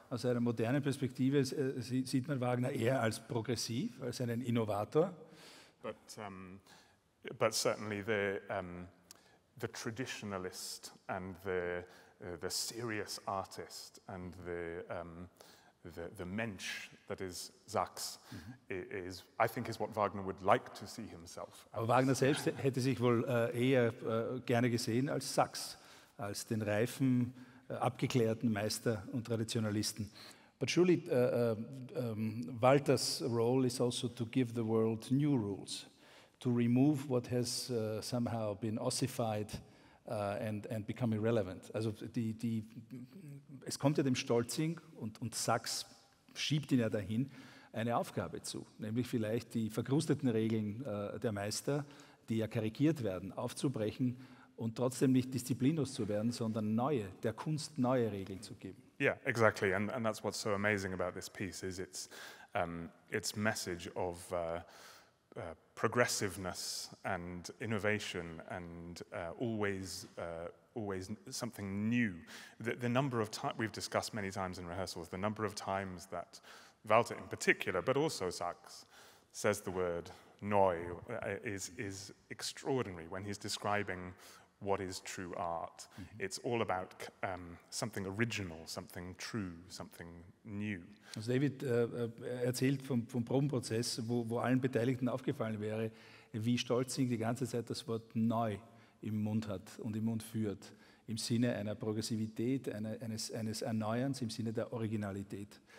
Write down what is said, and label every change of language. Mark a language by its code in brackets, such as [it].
[de] Aus einer modernen Perspektive sieht man Wagner eher als progressiv, als einen Innovator. [en] But certainly the traditionalist and the serious artist and the Mensch that is Sachs, mm-hmm. is, I think, is what Wagner would like to see himself. [de] Aber Wagner selbst hätte sich wohl eher gerne gesehen als Sachs, als den reifen, abgeklärten Meister und Traditionalisten. [en] But surely Walters' role is also to give the world new rules, to remove what has somehow been ossified and become irrelevant. [de] Also es kommt ja dem Stolzing, und Sachs schiebt ihn ja dahin, eine Aufgabe zu, nämlich vielleicht die verkrusteten Regeln der Meister, die ja karikiert werden, aufzubrechen und trotzdem nicht disziplinlos zu werden, sondern neue, der Kunst neue Regeln zu geben. [en] Yeah, exactly. And that's what's so amazing about this piece, is its message of progressiveness and innovation and always something new. The number of times we've discussed many times in rehearsals, the number of times that Walter in particular, but also Sachs, says the word neu is extraordinary when he's describing what is true art. Mm-hmm. It's all about something original, something true, something new. [de] Also David erzählt vom Probenprozess, wo allen Beteiligten aufgefallen wäre, wie Stolzing die ganze Zeit das Wort neu im Mund hat und im Mund führt, im Sinne einer Progressivität, eines Erneuerns, im Sinne der Originalität.